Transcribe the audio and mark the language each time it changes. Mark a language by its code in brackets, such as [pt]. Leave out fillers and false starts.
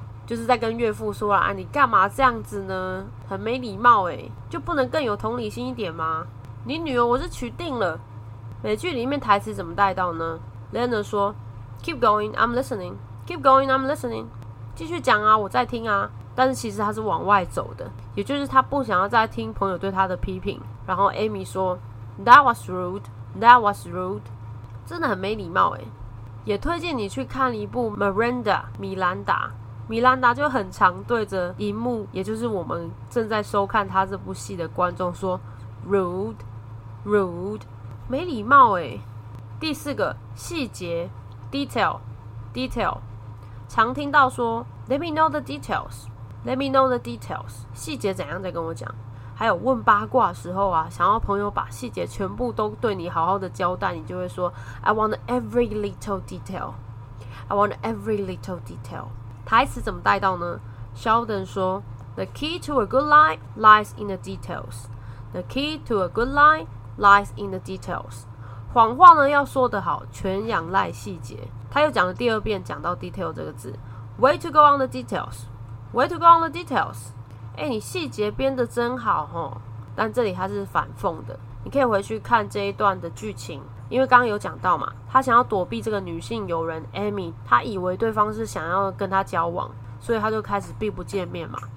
[zh] 就是在跟岳父说啦，啊，你干嘛这样子呢？很没礼貌耶，欸，就不能更有同理心一点吗？你女儿我是娶定了。美剧里面台词怎么带到呢？ Leonard 说 [en] Keep going, I'm listening Keep going, I'm listening. [zh] 继续讲啊，我在听啊。 [en] 但是其实他是往外走的，也就是他不想要再听朋友对他的批评。然后 Amy 说 That was rude, that was rude. [zh] 真的很没礼貌耶。也推荐你去看一部 Miranda, 米兰达。米兰达就很常对着荧幕，也就是我们正在收看他这部戏的观众说 [en] Rude, rude, [zh] 没礼貌耶。第四个细节 [en] Detail, detail, [zh] 常听到说 [en] Let me know the details, let me know the details, [zh] 细节怎样再跟我讲。还有问八卦的时候啊，想要朋友把细节全部都对你好好的交代，你就会说 [en] I want every little detail, [zh] I want every little detail。台词怎么带到呢？ [en] Sheldon 说 The key to a good lie lies in the details, the key to a good lie lies in the details。 [zh] 谎话呢要说得好，全仰赖细节。他又讲了第二遍，讲到 [en] detail [zh] 这个字， [en] way to go on the details, way to go on the details。 [zh] 欸，你细节编得真好齁。但这里他是反讽的，你可以回去看这一段的剧情，因为刚刚有讲到嘛，他想要躲避这个女性友人 Amy， 他以为对方是想要跟他交往，所以他就开始避不见面嘛。